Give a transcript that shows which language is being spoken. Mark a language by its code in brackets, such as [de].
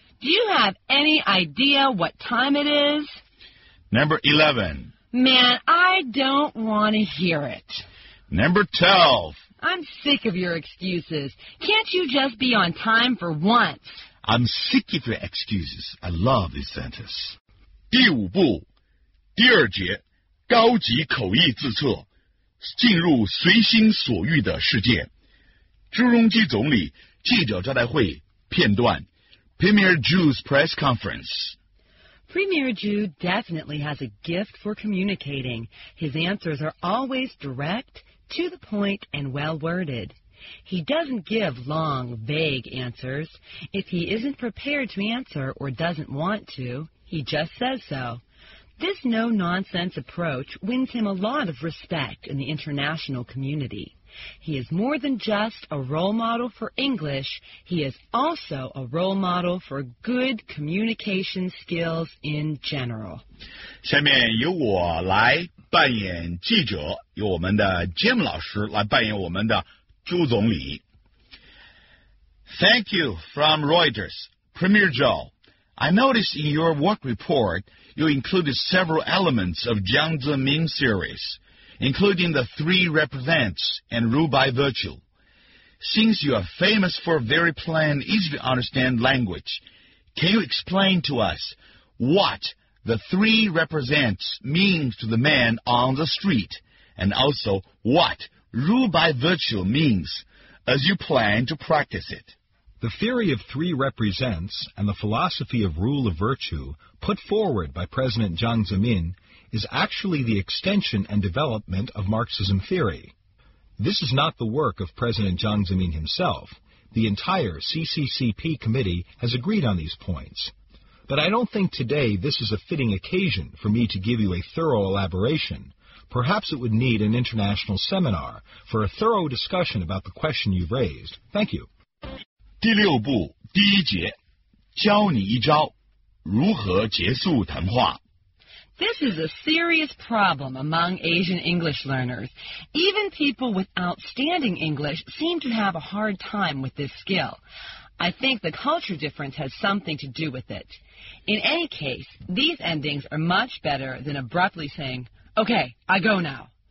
[en] Do you have any idea what time it is? Number 11. Man, I don't want to hear it. Number 12. I'm sick of your excuses. Can't you just be on time for once? I'm sick of your excuses. I love this sentence. [zh] 第五步, 第二节, 高级口译自测, 进入随心所欲的世界。朱镕基总理记者招待会, 片段, [en] Premier Zhu's press conference. Premier Zhu definitely has a gift for communicating. His answers are always direct, to the point, and well-worded. He doesn't give long, vague answers. If he isn't prepared to answer or doesn't want to, he just says so. This no-nonsense approach wins him a lot of respect in the international community. He is more than just a role model for English. He is also a role model for good communication skills in general. [zh] 下面由我来扮演记者, 由我们的Jim老师来扮演我们的朱总理。 [en] Thank you from Reuters, Premier Zhou. I noticed in your work report you included several elements of Jiang Zemin series, including the three represents and rule by virtue. Since you are famous for very plain, easy to understand language, can you explain to us what the three represents means to the man on the street, and also what rule by virtue means as you plan to practice it? The theory of three represents and the philosophy of rule of virtue put forward by President Jiang Zemin is actually the extension and development of Marxism theory. This is not the work of President Jiang Zemin himself. The entire CCCP committee has agreed on these points. But I don't think today this is a fitting occasion for me to give you a thorough elaboration. Perhaps it would need an international seminar for a thorough discussion about the question you've raised. Thank you. [zh] 第六部第一节, 教你一招如何结束谈话。 [en] This is a serious problem among Asian English learners. Even people with outstanding English seem to have a hard time with this skill. I think the culture difference has something to do with it. In any case, these endings are much better than abruptly saying, "Okay, I go now."